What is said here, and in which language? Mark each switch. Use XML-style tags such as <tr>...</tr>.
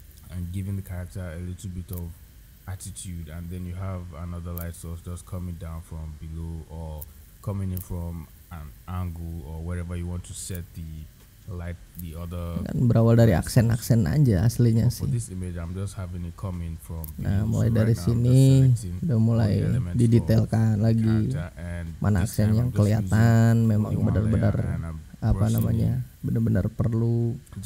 <en>And giving the character a little bit of attitude, and then you have another light source just coming down from below or coming in from an angle or wherever you want to set the light. The other</en> <id>kan berawal dari aksen-aksen aja aslinya sih.</id> <en>For this image, I'm just having it coming from.</en> <id>Nah, mulai dari sini udah mulai didetailkan lagi mana aksen yang kelihatan memang benar-benar apa namanya benar-benar perlu.</id>